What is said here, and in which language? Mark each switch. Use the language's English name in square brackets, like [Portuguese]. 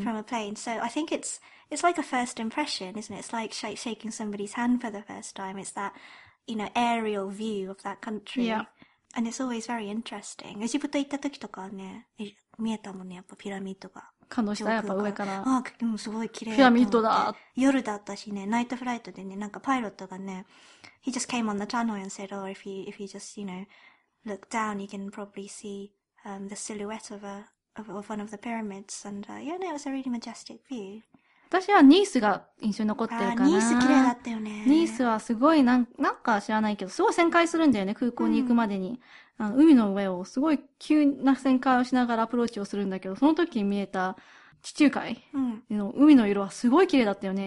[English] from a plane, so I think it's like a first impression, isn't it? It's like shaking somebody's hand for the first time. It's that, you know, aerial view of that country. Yeah. And it's always very interesting. [Japanese] エジプト行った時とかね、見えたもんね、やっぱピラミッドが。感動したやっぱ上から。ああ、うん、すごい綺麗。ピラミッドだ。夜だったしね、ナイトフライトでね、なんかパイロットがね、 [English] he just came on the tunnel and said, oh, if you just, you know, look down, you can probably see、the silhouette of one of the pyramids. And、yeah, no, it was a really majestic view. [Japanese] 私はニースが印象に残ってるかな。あ、ニース綺麗だったよね。ニースはすごい、なんか知らないけど、すごい旋回するんだよね、空港に行くまでに。うん、あの海の上をすごい急な旋回をしながらアプローチをするんだけど、その時に見えた地中海の海の色はすごい綺麗だったよね。